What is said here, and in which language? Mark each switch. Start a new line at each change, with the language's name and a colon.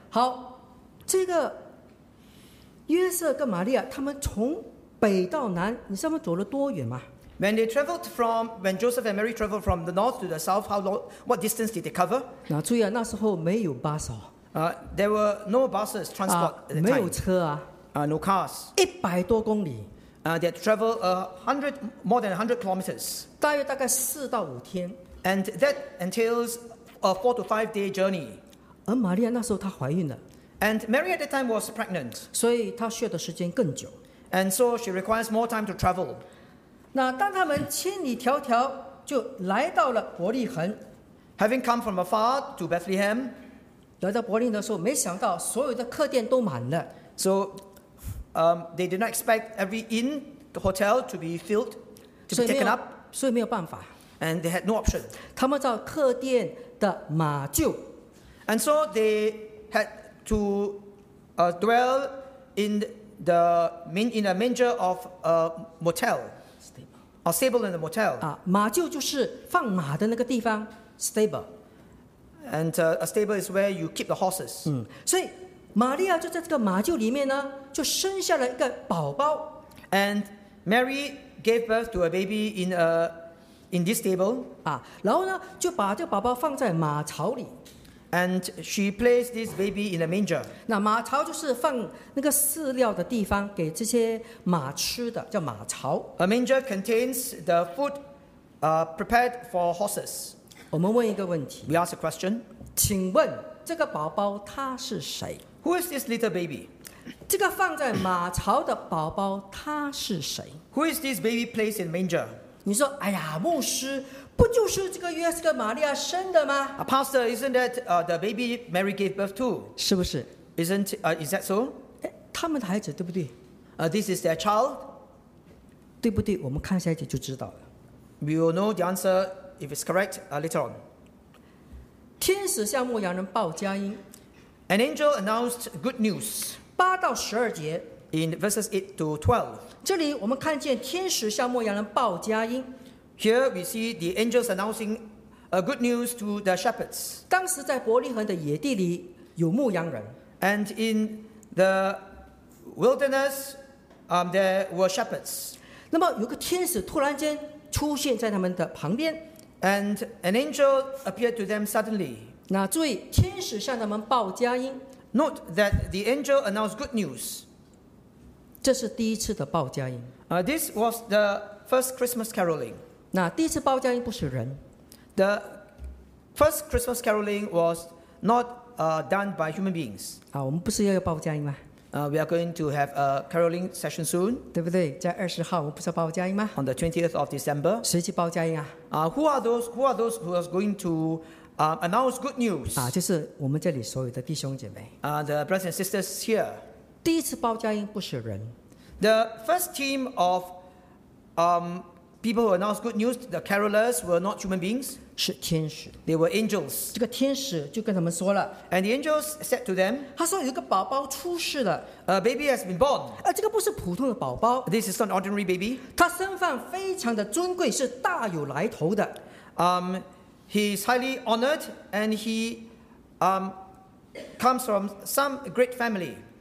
Chinese: 好，这个约瑟跟玛利亚他们从北到南，你知道他们走了多远吗
English: ？When they traveled from, when Joseph and Mary traveled from the north to the south, how long? What distance did they cover?
Chinese: 那注意啊，那时候没有巴士。
English: There were no buses transport at the time.
Chinese: 没有车啊。
English: No cars.
Chinese: 100多公里。
English: They traveled more than 100 kilometers.
Chinese: 大概4到5天。
English: And that entails a 4 to 5 day journey.
Chinese: 而玛利亚那时候她怀孕了。
English: And Mary at the time was pregnant.
Chinese: 所以她需要的时间更久。
English: And so she requires more time to travel.
Chinese: 那当他们千里迢迢就来到了伯利恒。
English: Having come from afar to Bethlehem.
Chinese: 来到伯利恒的时候，没想到所有的客店都满了。
English: So, they did not expect every inn, the hotel to be filled, to be taken up.
Chinese: 所以没有办法。
English: And they had no option.
Chinese: 他们找客店的马厩
English: And so they had to dwell in the main in a manger of a motel, a stable in the motel.
Chinese: 啊，马厩就是放马的那个地方 stable.
English: And a stable is where you keep the horses.
Chinese: 所以玛利亚就在这个马厩里面呢，就生下了一个宝宝
English: And Mary gave birth to a baby in a In this stable,
Chinese: 啊，然后呢，就把这个宝宝放在马槽里。
English: And she placed this baby in a manger.
Chinese: 那马槽就是放那个饲料的地方，给这些马吃的，叫马槽。
English: A manger contains the food, prepared for horses.
Chinese: 我们问一个问题。
English: We ask a question.
Chinese: 请问这个宝宝他是谁
English: ？Who is this little baby?
Chinese: 这个放在马槽的宝宝他是谁
English: ？Who is this baby placed in manger?
Chinese: 你说：“哎呀，牧师，不就是这个约瑟跟玛利亚生的吗
English: ？”Pastor, isn't that the baby Mary gave birth to?
Chinese: 是不是
English: ？Isn't is that so?
Chinese: 他们的孩子对不对
English: ？This is their child.
Chinese: 对不对？我们看下一节就知道了。
English: We will know the answer if it's correct later on.
Chinese: 天使向牧羊人报佳音。
English: An angel announced good news.
Chinese: 8到12节。
English: In verses 8 to 12,
Chinese: 这里我们看见天使向牧羊人报佳音。
English: Here we see the angels announcing a good news to the shepherds.
Chinese: 当时在伯利恒的野地里有牧羊人。
English: And in the wilderness, there were shepherds.
Chinese: 那么有个天使突然间出现在他们的旁边。
English: And an angel appeared to them suddenly.
Chinese: 那注意，天使向他们报佳音。
English: Note that the angel announced good news.
Chinese: 这是第一次的报佳音。
English: This was the first Christmas caroling.
Chinese: 那第一次报佳音不是人。
English: The first Christmas caroling was not done by human beings.
Chinese: 啊，我们不是要报佳音吗？
English: We are going to have a caroling session soon.
Chinese: 对不对？在20号，我们不是报佳音吗
English: ？On the 20th of December.
Chinese: 谁去报佳音啊？
English: Who are those? Who are those who are going to announce good news?
Chinese: 啊，就是我们这里所有的弟兄姐妹。
English: The brothers and sisters here.
Chinese: 第一次包佳音不是人。
English: The first team of people who announced good news, the carolers, were not human beings.
Chinese: 是天使。
English: They were angels.
Chinese: 这个天使就跟他们说了。
English: And the angels said to them,
Chinese: 他说有个宝宝出世了。
English: A baby has been born.
Chinese: 这个不是普通的宝宝。
English: This is not an ordinary baby.
Chinese: 他身份非常的尊贵，是大有来头的。
English: He is highly honored, and he comes from some great family.